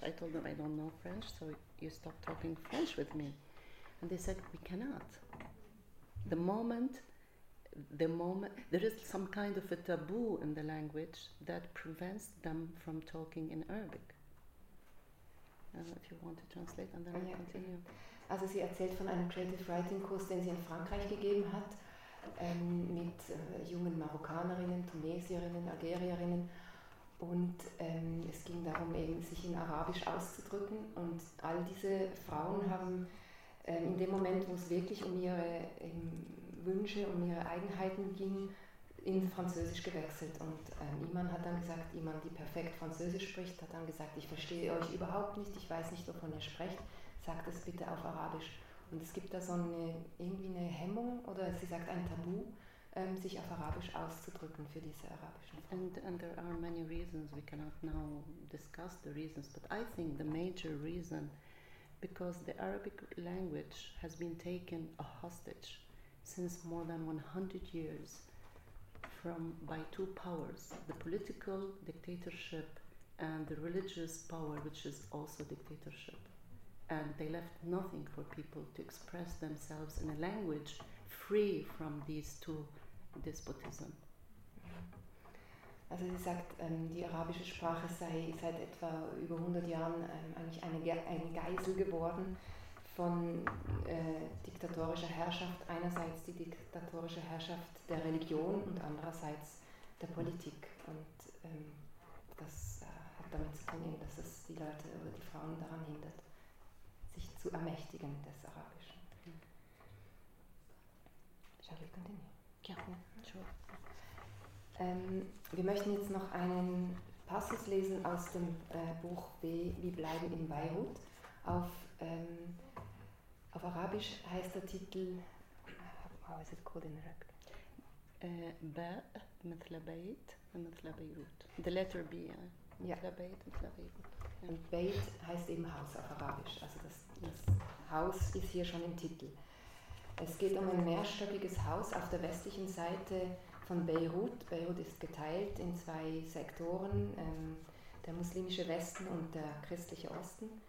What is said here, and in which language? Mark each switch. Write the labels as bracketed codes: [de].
[en] I told them, I don't know French, so you stop talking French with me. And they said, we cannot. The moment, there is some kind of a taboo in the language that prevents them from talking in Arabic. If you want to translate, and then I'll continue. [de] Also sie erzählt von einem Creative Writing Kurs, den sie in Frankreich gegeben hat, mit jungen Marokkanerinnen, Tunesierinnen, Algerierinnen, und es ging darum, eben sich in Arabisch auszudrücken, und all diese Frauen haben in dem Moment, wo es wirklich um ihre Wünsche und ihre Eigenheiten ging, in Französisch gewechselt, und Iman hat dann gesagt, Iman, die perfekt Französisch spricht, hat dann gesagt, ich verstehe euch überhaupt nicht, ich weiß nicht, wovon ihr sprecht, sagt es bitte auf Arabisch. Und es gibt da so irgendwie eine Hemmung, oder sie sagt ein Tabu, sich auf Arabisch auszudrücken für diese arabischen Frauen. [en] And there are many reasons, we cannot now discuss the reasons, but I think the major reason, because the Arabic language has been taken a hostage since more than 100 years, by two powers, the political dictatorship and the religious power, which is also dictatorship. and they left nothing for people to express themselves in a language free from these two despotism. [de] Also sie sagt, die arabische Sprache sei seit etwa über 100 Jahren eigentlich eine Geisel geworden von diktatorischer Herrschaft, einerseits die diktatorische Herrschaft der Religion und andererseits der Politik. Und das hat damit zu tun, dass es die Leute oder die Frauen daran hindert, sich zu ermächtigen des Arabischen. [en] Shall we continue? Ja, sure. [de] Wir möchten jetzt noch einen Passus lesen aus dem Buch B, Wie bleiben in Beirut. Auf Arabisch heißt der Titel, [en] how is it called in Arabic? [ar] B, مثل بيت, مثل بيروت. [en] The letter B, [ar] مثل بيت, مثل بيروت. [de] Und بيت heißt eben Haus auf Arabisch. Also das Haus ist hier schon im Titel. Es geht um ein mehrstöckiges Haus auf der westlichen Seite von Beirut. Beirut ist geteilt in zwei Sektoren, der muslimische Westen und der christliche Osten.